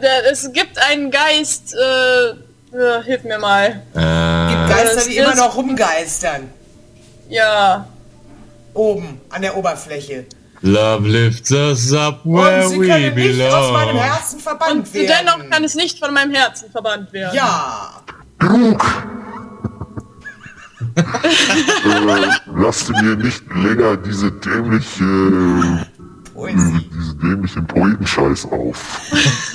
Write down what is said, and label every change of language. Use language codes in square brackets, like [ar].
[de] Es gibt einen Geist, hilf mir mal. Geister, die immer noch rumgeistern. Ja. Oben, an der Oberfläche. [en] Love lifts us up where we belong. [de] Und sie können nicht aus meinem Herzen verbannt werden. Und dennoch kann es nicht von meinem Herzen verbannt werden. Ja. Genug. lasst mir nicht länger diese dämliche... diesen dämlichen Poetenscheiß auf.